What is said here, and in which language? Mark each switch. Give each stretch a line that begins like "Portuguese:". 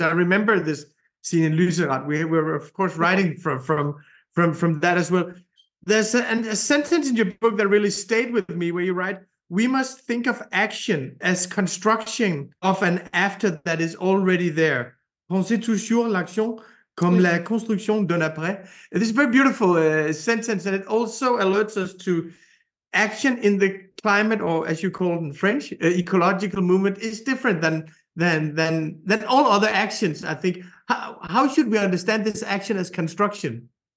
English: I remember this scene in Lützerath. We were, of course, writing from that as well. There's a sentence in your book that really stayed with me where you write, we must think of action as construction of an after that is already there.
French: Pensez toujours l'action comme la construction d'un après.
English: This is a very beautiful sentence, and it also alerts us to action in the climate, or as you call it in French, ecological movement, is different than all other actions, I think. How should we understand this action as construction?